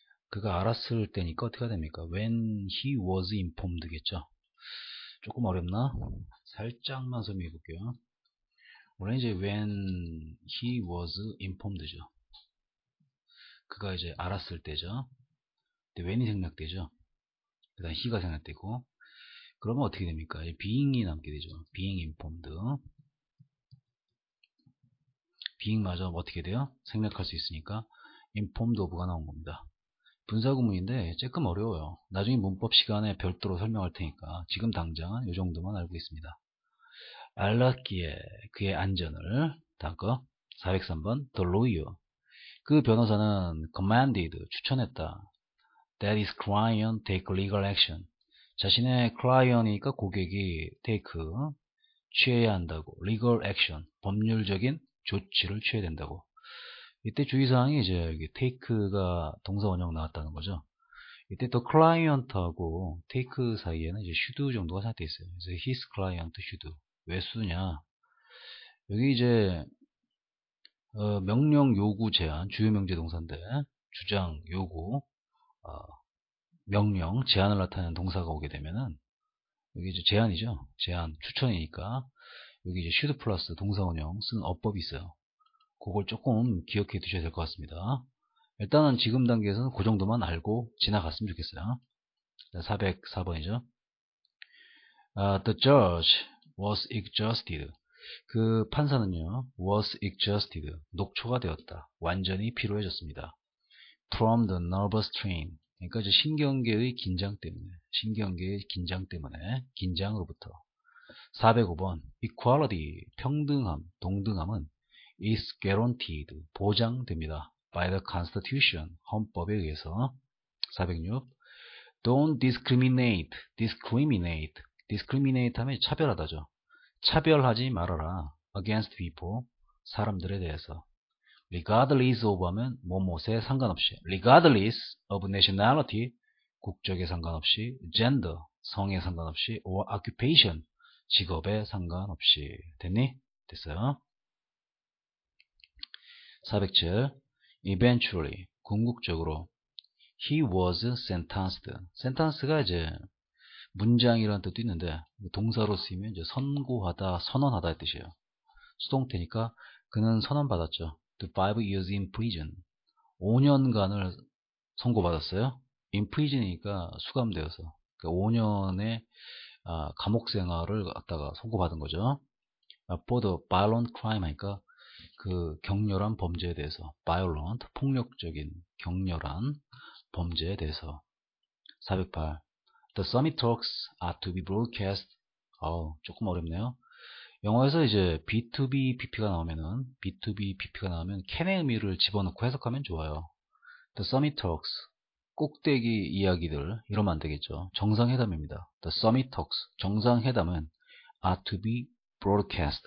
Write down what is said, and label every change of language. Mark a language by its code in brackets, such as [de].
[ko] 그가 알았을 때니까 어떻게 해야 됩니까? [en] when he was informed겠죠. [ko] 조금 어렵나? 살짝만 설명해 볼게요. 원래 이제 [en] when he was informed죠. [ko] 그가 이제 알았을 때죠. 근데 when이 생략되죠. 그다음 he가 생략되고, 그러면 어떻게 됩니까? 이제 being이 남게 되죠. [en] being informed. [ko] being 마저 어떻게 돼요? 생략할 수 있으니까 informed of가 나온 겁니다. 분사구문인데 조금 어려워요. 나중에 문법 시간에 별도로 설명할 테니까 지금 당장은 이 정도만 알고 있습니다. 알았기에 그의 안전을. 다음 거 403번 [en] the lawyer, [ko] 그 변호사는 [en] commanded, [ko] 추천했다. [en] that his client take legal action, [ko] 자신의 [en] client이니까 [ko] 고객이 [en] take, [ko] 취해야 한다고. [en] legal action, [ko] 법률적인 조치를 취해야 된다고. 이때 주의사항이 이제 여기 take가 동사 원형 나왔다는 거죠. 이때 또 client하고 take 사이에는 이제 should 정도가 생각돼 있어요. 그래서 [en] his client should. [ko] 왜 쓰냐? 여기 이제 명령, 요구, 제안, 주요 명제 동사인데 주장, 요구, 명령, 제안을 나타내는 동사가 오게 되면은 여기 이제 제안이죠. 제안, 추천이니까 여기 이제 should 플러스 동사 원형 쓰는 어법이 있어요. 그걸 조금 기억해 두셔야 될것 같습니다. 일단은 지금 단계에서는 그 정도만 알고 지나갔으면 좋겠어요. 404번이죠. [en] The judge was exhausted. [ko] 그 판사는요, [en] was exhausted. [ko] 녹초가 되었다. 완전히 피로해졌습니다. [en] From the nervous strain. [ko] 그러니까 이제 신경계의 긴장 때문에. 신경계의 긴장 때문에. 긴장으로부터. 405번. Equality. 평등함, 동등함은 [en] is guaranteed. [ko] 보장됩니다. [en] By the Constitution. [ko] 헌법에 의해서. 406. [en] Don't discriminate. Discriminate. [ko] Discriminate 하면 차별하다죠. 차별하지 말아라. [en] against people, [ko] 사람들에 대해서. [en] regardless of [ko] 하면 뭐뭐에 상관없이. [en] regardless of nationality, [ko] 국적에 상관없이. [en] gender, [ko] 성에 상관없이. [en] or occupation, [ko] 직업에 상관없이. 됐니? 됐어요. 407. eventually, 궁극적으로. [en] he was sentenced. [ko] sentence가 이제 문장이라는 뜻도 있는데 동사로 쓰이면 이제 선고하다, 선언하다의 뜻이에요. 수동태니까 그는 선언받았죠. [en] to 5 years in prison, [ko] 5년간을 선고받았어요. in prison이니까 수감되어서, 그러니까 5년의 감옥 생활을 갖다가 선고받은 거죠. [en] for the violent crime [ko] 하니까 그 격렬한 범죄에 대해서, violent, 폭력적인 격렬한 범죄에 대해서. 408. [en] The summit talks are to be broadcast. [ko] 조금 어렵네요. 영어에서 이제 B2BPP가 나오면은, B2BPP가 나오면 캔의 의미를 집어넣고 해석하면 좋아요. The summit talks, 꼭대기 이야기들, 이러면 안 되겠죠. 정상회담입니다. [en] The summit talks, [ko] 정상회담은 [en] are to be broadcast.